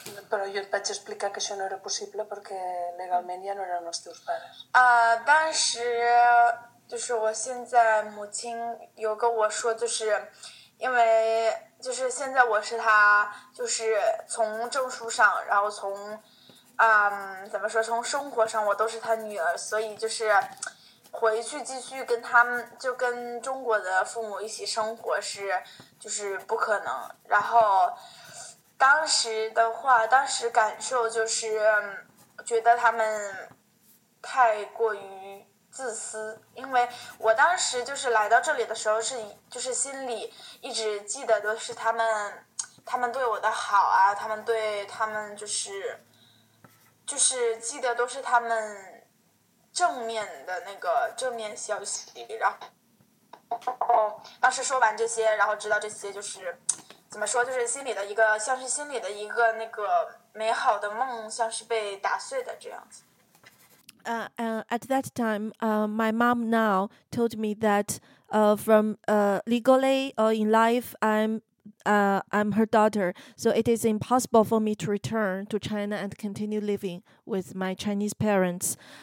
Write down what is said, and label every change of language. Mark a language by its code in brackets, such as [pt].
[ca] Però jo et vaig explicar que això no era possible perquè legalment ja no eren els teus pares. [zh] 当时就是我现在母亲有跟我说，就是因为就是现在我是他，就是从证书上，然后从，怎么说，从生活上，我都是他女儿，所以就是回去继续跟他们，就跟中国的父母一起生活是，就是不可能。然后当时的话，当时感受就是觉得他们太过于自私，因为我当时就是来到这里的时候是就是心里一直记得都是他们对我的好啊，他们就是记得都是他们正面的那个正面消息，然后当时说完这些，然后知道这些就是怎么说，就是心里的一个像是心里的一个那个美好的梦像是被打碎的这样子。 [en] At that time, my mom now told me that from legally or in life, I'm her daughter, so it is impossible for me to return to China and continue living with my Chinese parents.